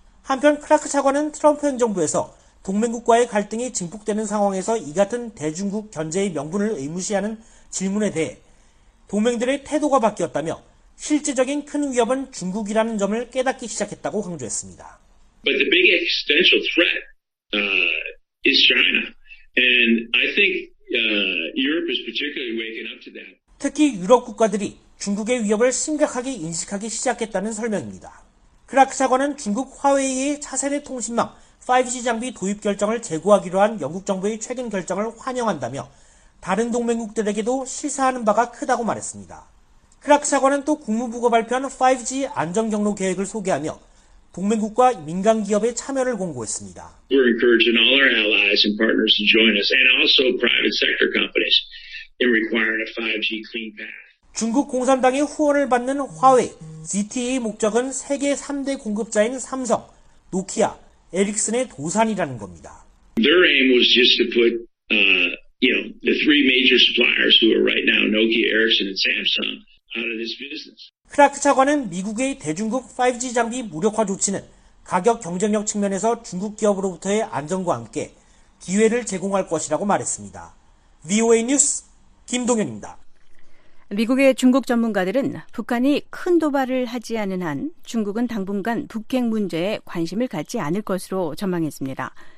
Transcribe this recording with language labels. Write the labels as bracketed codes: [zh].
[ko] 한편 크라크 차관은 트럼프 행정부에서 동맹국과의 갈등이 증폭되는 상황에서 이 같은 대중국 견제의 명분을 의무시하는 질문에 대해 동맹들의 태도가 바뀌었다며 실질적인 큰 위협은 중국이라는 점을 깨닫기 시작했다고 강조했습니다. [en] But the big existential threat is China. And I think Europe is particularly waking up to that. [ko] 특히 유럽 국가들이 중국의 위협을 심각하게 인식하기 시작했다는 설명입니다. 크라크 차관은 중국 화웨이의 차세대 통신망 5G 장비 도입 결정을 재고하기로 한 영국 정부의 최근 결정을 환영한다며 다른 동맹국들에게도 시사하는 바가 크다고 말했습니다. 크라크 차관은 또 국무부가 발표한 5G 안전 경로 계획을 소개하며 동맹국과 민간 기업의 참여를 권고했습니다. [en] We're encouraging all our allies and partners to join us and also private sector companies in requiring a 5G clean path. [ko] 중국 공산당의 후원을 받는 화웨이, ZTE의 목적은 세계 3대 공급자인 삼성, 노키아, 에릭슨의 도산이라는 겁니다. [en] Their aim was just to put the three major suppliers who are right now Nokia, Ericsson, and Samsung out of this business. [ko] 클라크 차관은 미국의 대중국 5G 장비 무력화 조치는 가격 경쟁력 측면에서 중국 기업으로부터의 안정과 함께 기회를 제공할 것이라고 말했습니다. VOA 뉴스 김동현입니다. 미국의 중국 전문가들은 북한이 큰 도발을 하지 않은 한 중국은 당분간 북핵 문제에 관심을 갖지 않을 것으로 전망했습니다.